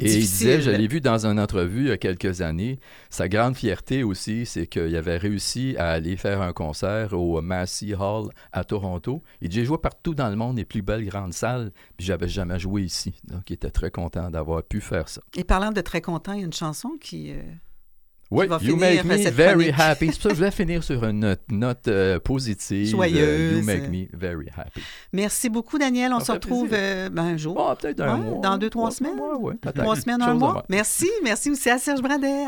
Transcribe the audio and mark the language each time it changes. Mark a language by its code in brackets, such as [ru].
[fr] Oui, et il disait, je l'ai vu dans une entrevue il y a quelques années, sa grande fierté aussi, c'est qu'il avait réussi à aller faire un concert au Massey Hall à Toronto. Il dit, j'ai joué partout dans le monde, les plus belles grandes salles, puis j'avais jamais joué ici. Donc, il était très content d'avoir pu faire ça. Et parlant de très content, il y a une chanson qui... [en] Oui, you make me very happy. [fr] C'est pour ça que je vais finir sur une note positive. Joyeuse. [en] You make me very happy. [fr] Merci beaucoup, Daniel. On se retrouve un jour. Ah, peut-être un mois. Dans deux, trois semaines. Trois semaines, un mois. Merci. Merci aussi à Serge Bradet.